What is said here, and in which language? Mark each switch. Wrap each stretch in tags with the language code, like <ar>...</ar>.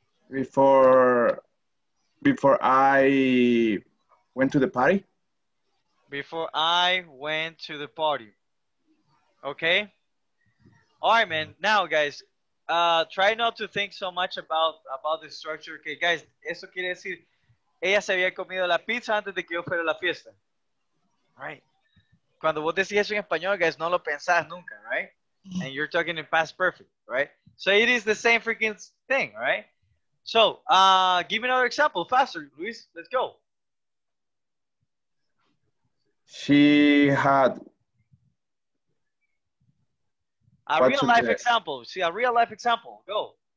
<en>Before I went to the party. Before I went to the party. Okay. All right, man. Now, guys, try not to think so much about the structure. Okay, guys,</en> <es>eso quiere decir, ella se había comido la pizza antes de que yo fuera a la fiesta.</es> <en>All right.</en> <es>Cuando vos decís eso en español, guys, no lo pensás nunca, right?</es> <en>And you're talking in past perfect, right? So it is the same freaking thing, right? So give me another example faster, Luis. Let's go. She had a real life example. See, a real life example. Go.</en>